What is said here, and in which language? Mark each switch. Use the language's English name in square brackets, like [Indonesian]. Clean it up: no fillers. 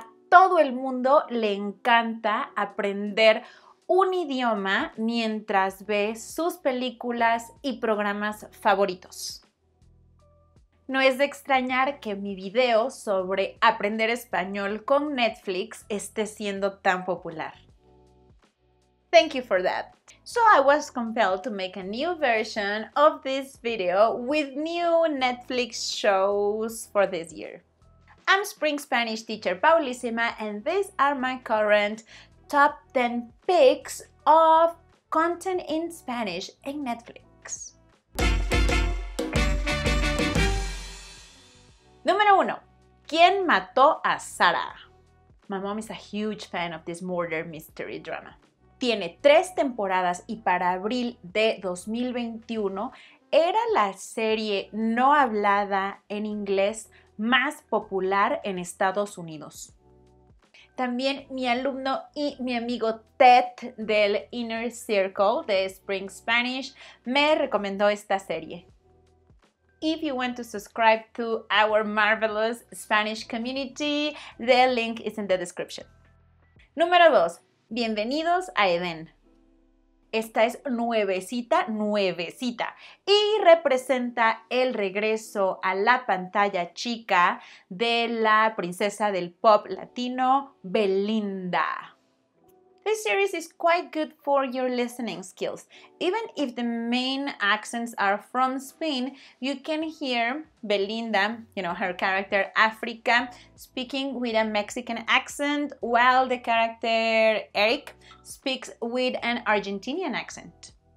[Spanish] todo el mundo le encanta aprender un idioma mientras ve sus películas y programas favoritos. No es de extrañar que mi video sobre aprender español con Netflix esté siendo tan popular. [English] Thank you for that. So I was compelled to make a new version of this video with new Netflix shows for this year. I'm Spring Spanish teacher Paulissima, and these are my current top 10 picks of content in Spanish in Netflix. [Spanish] Número 1. [English] ¿Quién mató a Sara? My mom is a huge fan of this murder mystery drama. [Spanish] Tiene 3 temporadas y para abril de 2021 era la serie no hablada en inglés más popular en Estados Unidos. También mi alumno y mi amigo Ted del Inner Circle de Spring Spanish me recomendó esta serie. [English] If you want to subscribe to our marvelous Spanish community, the link is in the description. [Spanish] Número 2. Bienvenidos a Edén. Esta es nuevecita y representa el regreso a la pantalla chica de la princesa del pop latino, Belinda. [English] This series is quite good for your listening skills. Even if the main accents are from Spain, you can hear Belinda, you know, her character Africa, speaking with a Mexican accent, while the character Eric speaks with an Argentinian accent.